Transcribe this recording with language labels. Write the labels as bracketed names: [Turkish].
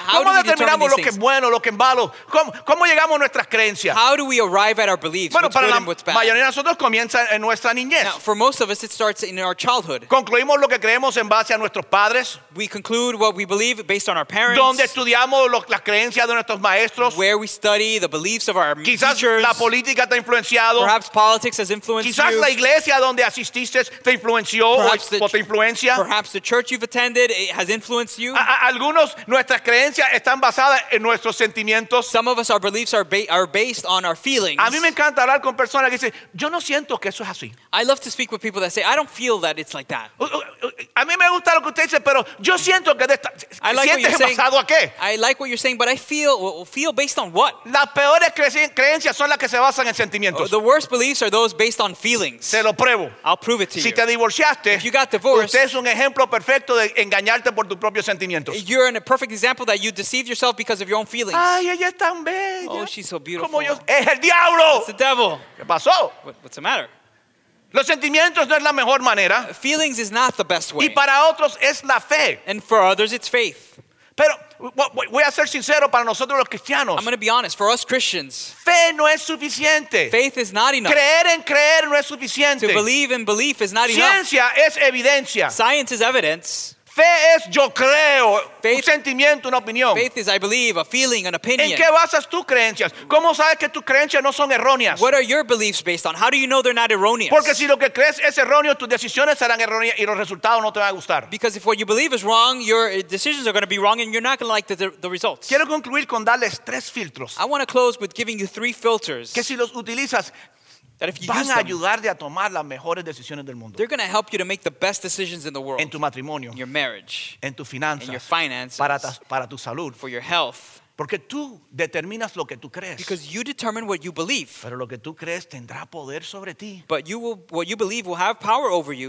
[Spanish] ¿Cómo determinamos lo que es bueno, lo que es malo? ¿Cómo llegamos a nuestras creencias? [English] How do we arrive at our beliefs? [Spanish] Bueno, [English] what's good and what's bad? [Spanish] Bueno, para la mayoría de nosotros comienza en nuestra niñez. [English] Now, for most of us, it starts in our childhood. [Spanish] Concluimos lo que creemos en base a nuestros padres. [English] We conclude what we believe based on our parents. [Spanish] Donde estudiamos las creencias de nuestros maestros. [English] Where we study the beliefs of our [Spanish] quizás [English] teachers. [Spanish] Quizás la política te ha influenciado. [English] Perhaps politics has influenced [Spanish] quizás [English] you. [Spanish] Quizás la iglesia donde asististe te influenció o te influencia. [English] Perhaps the church you've attended it has influenced you. [Spanish] Algunos nuestras creencias están basadas en nuestros sentimientos. [English] Some of us our beliefs are based on our feelings. [Spanish] A mí me encanta hablar con personas que dicen yo no siento que eso es así. [English] I love to speak with people that say I don't feel that it's like that. [Spanish] A mí me gusta lo que usted dice, pero yo siento que sientes basado a qué? [English] I like what you're saying, but I feel based on what? [Spanish] Las peores creencias son las que se basan en sentimientos. [English] The worst beliefs are those based on feelings. [Spanish] Se lo pruebo. [English] I'll prove it to you. [Spanish] Si te divorciaste, [English] if you got divorced, [Spanish] usted es un ejemplo perfecto de engañarte por tus propios sentimientos. [English] You're in a perfect example that you deceived yourself because of your own feelings. [Spanish] Ay, ella es tan bella. [English] Oh, she's so beautiful. [Spanish] Como yo, es el diablo. [English] It's the devil. [Spanish] ¿Qué pasó? [English] What's the matter? [Spanish] Los sentimientos no es la mejor manera. [English] Feelings is not the best way. [Spanish] Y para otros es la fe. [English] And for others it's faith. [Spanish] Pero voy a ser sincero para nosotros los cristianos. [English] I'm going to be honest, for us Christians. [Spanish] Fe no es suficiente. [English] Faith is not enough. [Spanish] Creer en creer no es suficiente. [English] To believe in belief is not enough. [Spanish] Ciencia es evidencia. [English] Science is evidence. [Spanish] Fe es yo creo, [English] faith, [Spanish] un sentimiento, una opinión. [English] Faith is I believe, a feeling, an opinion. [Spanish] ¿En qué basas tus creencias? ¿Cómo sabes que tus creencias no son erróneas? [English] What are your beliefs based on? How do you know they're not erroneous? [Spanish] Porque si lo que crees es erróneo, tus decisiones serán erróneas y los resultados no te van a gustar. [English] Because if what you believe is wrong, your decisions are going to be wrong and you're not going to like the results. [Spanish] Quiero concluir con darles tres filtros. [English] I want to close with giving you three filters. [Spanish] Que si los utilizas, [English] that if you [Spanish] van [English] use [Spanish] a ayudarte a tomar las mejores decisiones del mundo. [English] They're going to help you to make the best decisions in the world. [Spanish] En tu matrimonio. [English] In your marriage. [Spanish] En tu finanzas. [English] In your finances. [Spanish] Para tu salud. [English] For your health. [Spanish] Porque tú determinas lo que tú crees. [English] Because you determine what you believe. [Spanish] Pero lo que tú crees tendrá poder sobre ti. [English] But you will, what you believe will have power over you.